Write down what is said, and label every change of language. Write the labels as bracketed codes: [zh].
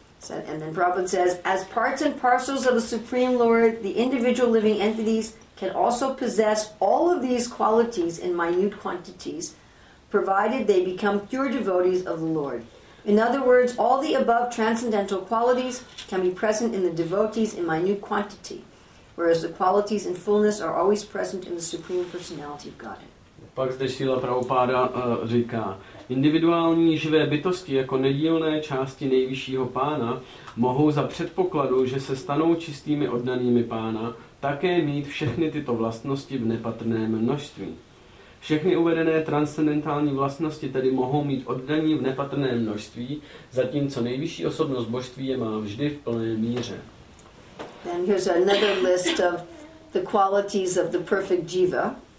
[en] And then Prabhupada says, as parts and parcels of the Supreme Lord, the individual living entities can also possess all of these qualities in minute quantities, provided they become pure devotees of the Lord. In other words, all the above transcendental qualities can be present in the devotees in minute quantity, whereas the qualities in fullness are always present in the Supreme Personality of Godhead. [cs] Pak zde Šíla Prabhupáda říká, individuální živé bytosti jako nedílné části nejvyššího pána mohou za předpokladu, že se stanou čistými oddanými pána, také mít všechny tyto vlastnosti v nepatrném množství. Všechny uvedené transcendentální vlastnosti tedy mohou mít oddaní v nepatrném množství, zatímco nejvyšší osobnost božství je má vždy v plné míře. [en] Then here's another list of the qualities of the perfect jiva.